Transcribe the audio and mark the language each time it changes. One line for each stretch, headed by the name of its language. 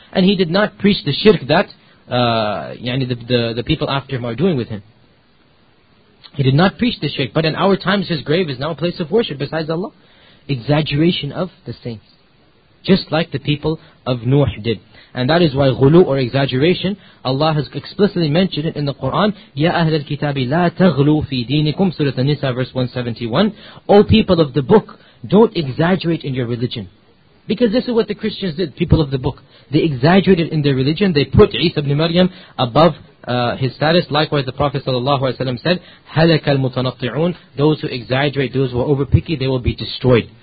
English: And he did not preach the shirk that the people after him are doing with him. He did not preach the shirk. But in our times, his grave is now a place of worship besides Allah. Exaggeration of the saints. Just like the people of Nuh did. And that is why ghulu, or exaggeration, Allah has explicitly mentioned it in the Quran.
Arabic: Ya أَهْلَ الْكِتَابِ لَا تَغْلُوا فِي دِينِكُمْ
English: Surah An-Nisa, verse 171. O people of the book, don't exaggerate in your religion. Because this is what the Christians did, people of the book. They exaggerated in their religion. They put Isa ibn Maryam above his status. Likewise, the Prophet ﷺ said,
Arabic: هَلَكَ الْمُتَنَطِعُونَ
English: Those who exaggerate, those who are overpicky, they will be destroyed.